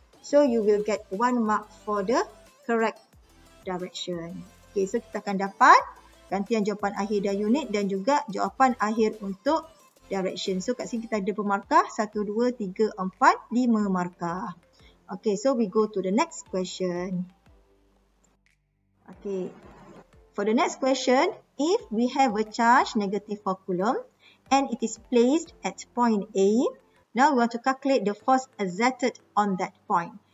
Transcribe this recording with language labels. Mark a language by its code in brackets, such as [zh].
[en] So you will get one mark for the correct direction. [ms] Okay, so kita akan dapat gantian jawapan akhir dan unit dan juga jawapan akhir untuk direction. So kat sini kita ada pemarkah 1, 2, 3, 4, 5 markah. [en] Okay, so we go to the next question. Okay, for the next question, if we have a charge negative 4 coulomb and it is placed at point A, now we want to calculate the force exerted on that point.